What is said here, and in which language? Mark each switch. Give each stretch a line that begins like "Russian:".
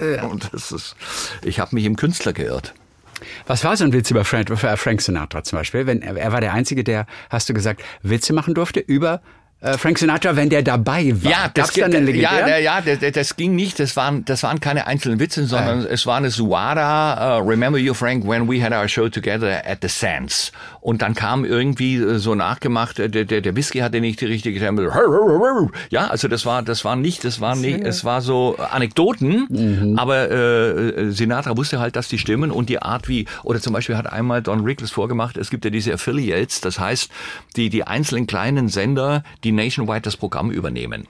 German: Und das ist, ich habe mich im Künstler geirrt. Was war so ein Witz über Frank Sinatra zum Beispiel? Wenn er war der Einzige, der, hast du gesagt, Witze machen durfte über Frank Sinatra, wenn der dabei war. Ja, das ging, dann das ging nicht. Das waren keine einzelnen Witze, sondern es war eine Suara.
English: Remember you, Frank, when we had our show together at the Sands.
German: Und dann kam irgendwie so nachgemacht, der Whisky hatte nicht die richtige Temperatur. Ja, also es war so Anekdoten. Mhm. Aber Sinatra wusste halt, dass die stimmen und die Art wie, oder zum Beispiel hat einmal Don Rickles vorgemacht, es gibt ja diese Affiliates, das heißt, die einzelnen kleinen Sender, die nationwide das Programm übernehmen.